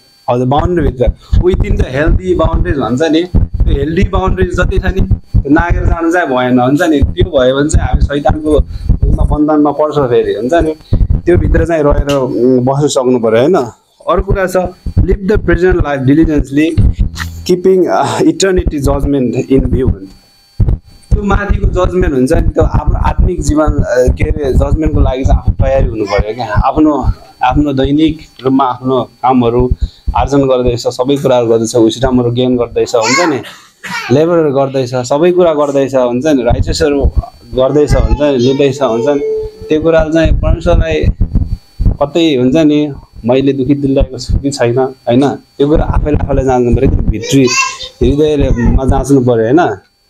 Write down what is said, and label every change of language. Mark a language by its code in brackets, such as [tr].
[ne] हजुर बााउन्ड्रीभित्र [en] within the healthy boundaries [ne] भन्छ नि त्यो हेल्दी बााउन्ड्रिज जति छ नि नागेर जानु चाहिँ भएन हुन्छ नि त्यो भयो भने चाहिँ हामी सैतानको बन्धनमा पर्छ फेरि हुन्छ नि त्यो भित्र चाहिँ रहेर बस्नु सक्नु पऱ्यो होइन अर्को कुरा छ [en] Live the present life diligently keeping eternity judgment in view. [ne] त्यो माथिको जजमेन्ट हुन्छ नि त्यो आफ्नो आत्मिक जीवन के अरे जजमेन्टको लागि चाहिँ आफू तयारी हुनु पऱ्यो क्या. आफ्नो आफ्नो दैनिक रूपमा आफ्नो कामहरू आर्जन गर्दैछ, सबै कुराहरू गर्दैछ, विश्रामहरू गेन गर्दैछ हुन्छ नि, लेबरहरू गर्दैछ, सबै कुरा गर्दैछ हुन्छ नि, राइचेसहरू गर्दैछ हुन्छ नि, लिँदैछ हुन्छ नि, त्यो कुराहरू चाहिँ परमेश्वरलाई कतै हुन्छ नि मैले दुःखी दिलाएको छु कि छैन होइन, त्यो कुरा आफैले आफैले जान्नु पऱ्यो, भित्री हृदयमा जाँच्नु पऱ्यो होइन.